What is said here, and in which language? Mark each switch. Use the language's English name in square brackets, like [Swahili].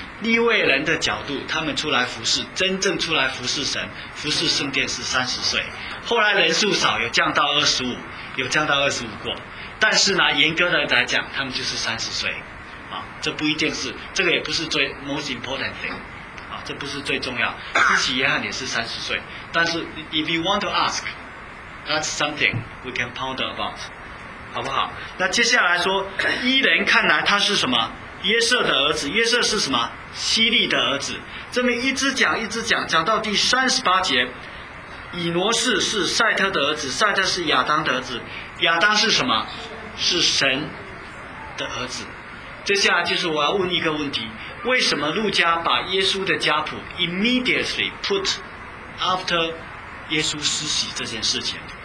[Chinese] 立位人的角度，他们出来服侍，真正出来服侍神、服侍圣殿是30岁，后来人数少，有降到25，有降到25过。但是呢，严格的来讲，他们就是30岁，啊，这不一定是，这个也不是最 [English] most important thing， [Chinese] 啊，这不是最重要。施洗约翰也是30岁，但是 [English] if you want to ask， that's something we can ponder about， [Chinese] 好不好？那接下来说，伊人看来他是什么？约瑟的儿子，约瑟是什么？西利的儿子。这么一直讲，一直讲，讲到第38节，以挪士是赛特的儿子，赛特是亚当的儿子，亚当是什么？是神的儿子。接下来就是我要问一个问题：为什么路加把耶稣的家谱 [English] immediately put after [Chinese] 耶稣施洗这件事情？